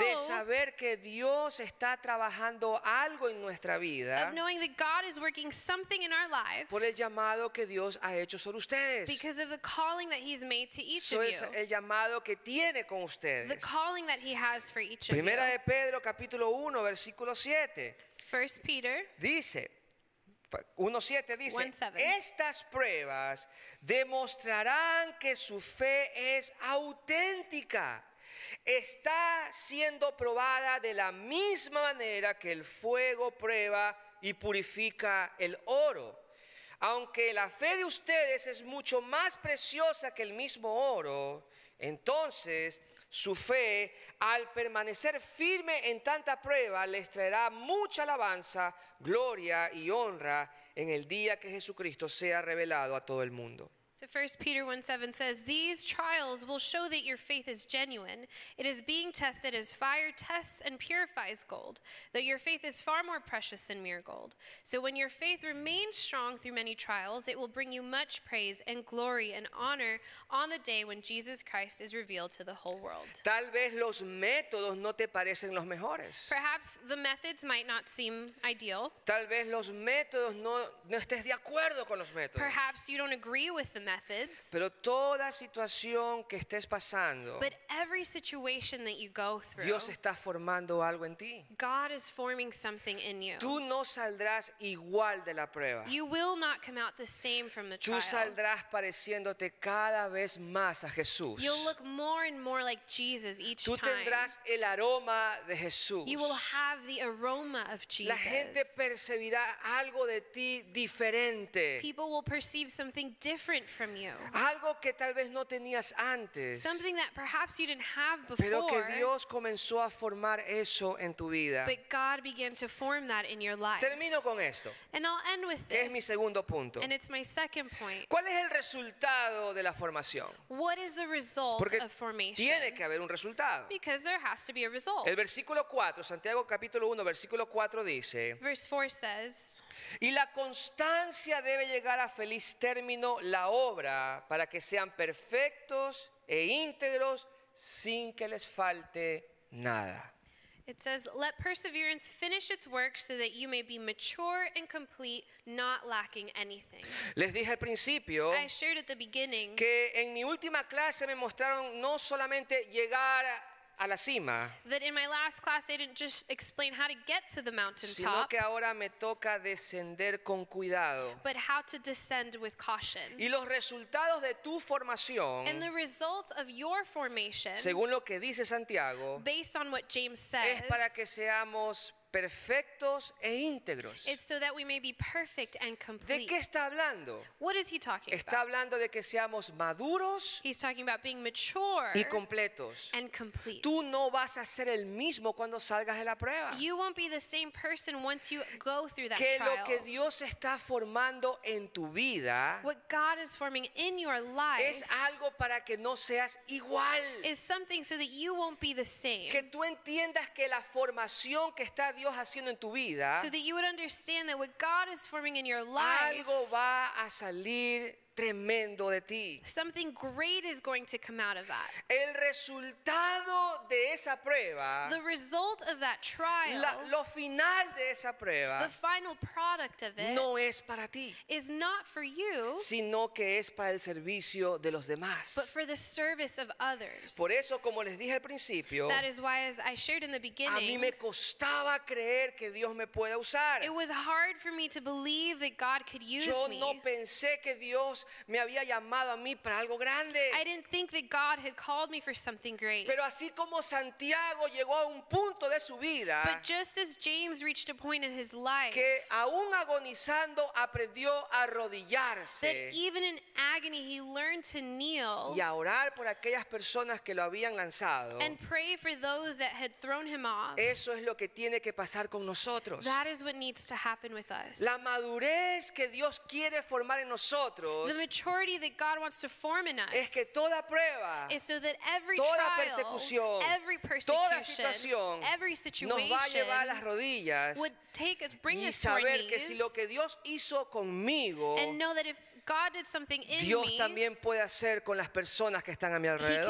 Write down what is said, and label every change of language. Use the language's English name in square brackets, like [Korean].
[Spanish] de saber que Dios está trabajando algo en nuestra vida, [English] of knowing that God is working something in our lives, [Spanish] por el llamado que Dios ha hecho sobre ustedes, [English] because of the calling that he's made to each so of you, [Spanish] es el llamado que tiene con ustedes, [English] the calling that he has for each of [Spanish] Primera [English] you. [Spanish] De Pedro capítulo 1 versículo 7 [English] First Peter [Spanish] dice 1:7 dice [English] 1:7. [Spanish] Estas pruebas demostrarán que su fe es auténtica. Está siendo probada de la misma manera que el fuego prueba y purifica el oro. Aunque la fe de ustedes es mucho más preciosa que el mismo oro, entonces su fe, al permanecer firme en tanta prueba, les traerá mucha alabanza, gloria y honra en el día que Jesucristo sea revelado a todo el mundo. [English] So 1 Peter 1:7 says, these trials will show that your faith is genuine. It is being tested as fire tests and purifies gold, though your faith is far more precious than mere gold. So when your faith remains strong through many trials, it will bring you much praise and glory and honor on the day when Jesus Christ is revealed to the whole world. [Spanish] Tal vez los métodos no te parecen los mejores. [English] Perhaps the methods might not seem ideal. [Spanish] Tal vez los métodos no estés de acuerdo con los métodos. [English] Perhaps you don't agree with them. Methods, [Spanish] pero toda situación que estés pasando, [English] but every situation that you go through, [Spanish] Dios está formando algo en ti. [English] God is forming something in you. [Spanish] Tú no saldrás igual de la prueba. [English] You will not come out the same from the trial. [Spanish] Tú saldrás pareciéndote cada vez más a Jesús. [English] You'll look more and more like Jesus each time. [Spanish] Tú tendrás el aroma de Jesús. [English] You will have the aroma of Jesus. [Spanish] La gente percibirá algo de ti diferente. [English] People will perceive something different from you. [Spanish] Algo que tal vez no tenías antes. [English] Something that perhaps you didn't have before. [Spanish] Pero que Dios comenzó a formar eso en tu vida. [English] But God began to form that in your life. [Spanish] Termino con esto. [English] And I'll end with this. [Spanish] Que es mi segundo punto. [English] And it's my second point. [Spanish] ¿Cuál es el resultado de la formación? [English] What is the result [Spanish] Porque [English] of formation? [Spanish] Tiene que haber un resultado. [English] Because there has to be a result. [Spanish] El versículo 4, Santiago capítulo 1, versículo 4 dice. [English] Verse 4 says. [Spanish] Y la constancia debe llegar a feliz término la obra para que sean perfectos e íntegros sin que les falte nada. [English] It says, let perseverance finish its work so that you may be mature and complete, not lacking anything. [Spanish] Les dije al principio, [English] I shared at the beginning, [Spanish] que en mi última clase me mostraron no solamente llegar a la cima, [English] that in my last class they didn't just explain how to get to the mountaintop, [Spanish] sino que ahora me toca descender con cuidado, [English] but how to descend with caution. [Spanish] Y los resultados de tu formación, [English] and the results of your formation, [Spanish] según lo que dice Santiago, [English] based on what James says, [Spanish] es para que seamos perfectos e íntegros. [English] It's so that we may be perfect and complete. [Spanish] ¿De qué está hablando? [English] What is he talking about? [Spanish] Está hablando de que seamos maduros. [English] He's talking about being mature. [Spanish] Y completos. [English] And complete. [Spanish] Tú no vas a ser el mismo cuando salgas de la prueba. [English] You won't be the same person once you go through that [Spanish] que [English] trial. [Spanish] Que lo que Dios está formando en tu vida. [English] What God is forming in your life. [Spanish] Es algo para que no seas igual. [English] Is something so that you won't be the same. [Spanish] Que tú entiendas que la formación que está Dios haciendo en tu vida, [English] so that you would understand that what God is forming in your life, [Spanish] algo va a salir tremendo de ti. [English] Something great is going to come out of that. [Spanish] El resultado de esa prueba, [English] the result of that trial, [Spanish] lo final de esa prueba, [English] the final product of it, [Spanish] no es para ti, [English] is not for you, [Spanish] sino que es para el servicio de los demás, [English] but for the service of others. [Spanish] Por eso, como les dije al principio, [English] that is why, as I shared in the beginning, [Spanish] a mí me costaba creer que Dios me pueda usar. [English] It was hard for me to believe that God could use [Spanish] yo [English] me. [Spanish] Yo no pensé que Dios me había llamado a mí para algo grande. [English] I didn't think that God had called me for something great. [Spanish] Pero así como Santiago llegó a un punto de su vida, [English] but just as James reached a point in his life, [Spanish] que aún agonizando aprendió a arrodillarse, [English] that even in agony he learned to kneel, [Spanish] y a orar por aquellas personas que lo habían lanzado, [English] and pray for those that had thrown him off. [Spanish] Eso es lo que tiene que pasar con nosotros. [English] That is what needs to happen with us. [Spanish] La madurez que Dios quiere formar en nosotros, [English] the maturity that God wants to form in us, [Spanish] es que toda prueba, [English] is so that every [Spanish] toda [English] trial, [Spanish] persecución, [English] every persecution, [Spanish] toda [English] every situation, [Spanish] nos va a llevar a las rodillas, [English] would take us, bring [Spanish] y [English] us [Spanish] saber [English] to our [Spanish] si lo que Dios hizo conmigo, [English] and know that if God did something in [Spanish] Dios [English] me, [Spanish] también puede hacer con las personas que están a mi alrededor.